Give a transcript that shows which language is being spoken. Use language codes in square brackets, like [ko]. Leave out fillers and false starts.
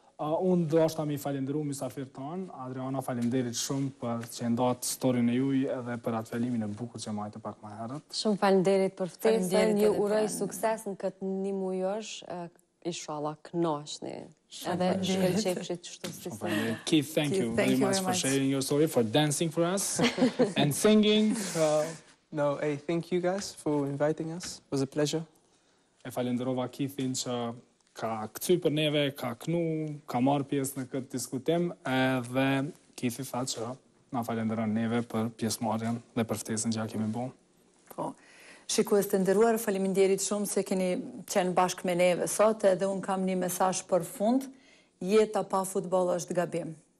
[sq] Unë do ashtë ta mi falenderu misafir tonë, Adriana falenderit shumë për që ndatë storin e juj edhe për atë velimin e bukur që majtë pak ma herët. Shumë falenderit për ftesën, ju uroj sukses në këtë një mujosh, ishala knashni. Edhe shkëllqefshit qështu sisi. [en] Keith, thank you very much for sharing your story, for dancing for us and singing. No, hey, thank you guys for inviting us. It was a pleasure. [sq] E falenderova Kithin që ka këty për neve, ka knu, ka marrë pjesë në këtë diskutim, edhe Kithi tha që na falenderon neve për pjesë marrën dhe për ftesën që ja kemi bo. Po, shikues të nderuar, faleminderit shumë se keni qenë bashkë me neve sot, edhe unë kam një mesazh për fund, jeta pa futboll është gabim.